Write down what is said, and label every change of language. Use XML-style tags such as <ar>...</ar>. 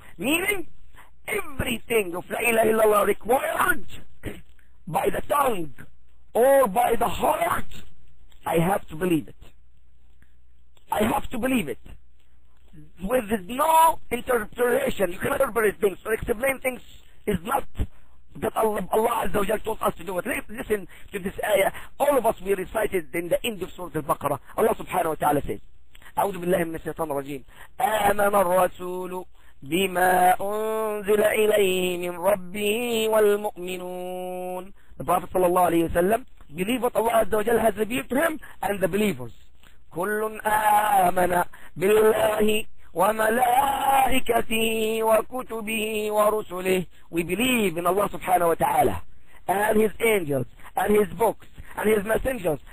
<en>Meaning, everything of la ilaha illallah required by the tongue or by the heart, I have to believe it. I have to believe it. With no interpretation, you can interpret things, so explain things is not that Allah Azza wa Jalla told us to do it. Listen to this ayah, all of us we recited in the end of Surah Al-Baqarah. Allah subhanahu wa ta'ala says,</en> <ar>أعوذ بالله من الشيطان الرجيم آمن الرسول بما أنزل إليه من ربه والمؤمنون.</ar> <en>The Prophet</en> <ar>صلى الله عليه وسلم</ar> <en>believe what Allah Azza wa Jalla has revealed to him and the believers.</en> <ar>كل آمن بالله وملائكته وكتبه ورسله.</ar> <en>We believe in Allah subhanahu wa ta'ala and his angels and his books and his messengers.</en>